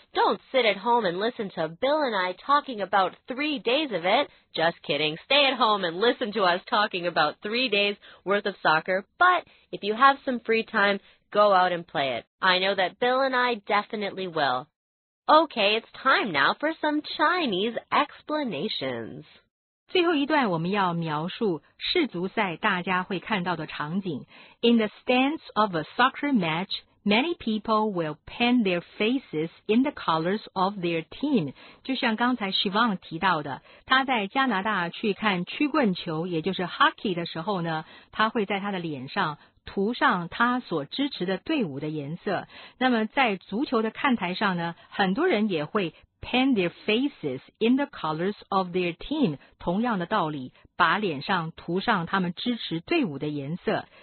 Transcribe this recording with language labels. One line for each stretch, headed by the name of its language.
English: Don't sit at home and listen to Bill and I talking about 3 days of it. Just kidding. Stay at home and listen to us talking about 3 days worth of soccer. But if you have some free time, go out and play it. I know that Bill and I definitely will. Okay, it's time now for some Chinese explanations.
Chinese: 最后一段我们要描述世足赛大家会看到的场景。
English: In the stands of a soccer match, many people will paint their faces in the colors of their team.
Chinese: 就像刚才 Siobhan 提到的，他在加拿大去看曲棍球，也就是 hockey 的时候呢，他会在他的脸上涂上他所支持的队伍的颜色。那么在足球的看台上呢，很多人也会
English: paint their faces in the colors of their team，
Chinese: 同样的道理，把脸上涂上他们支持队伍的颜色。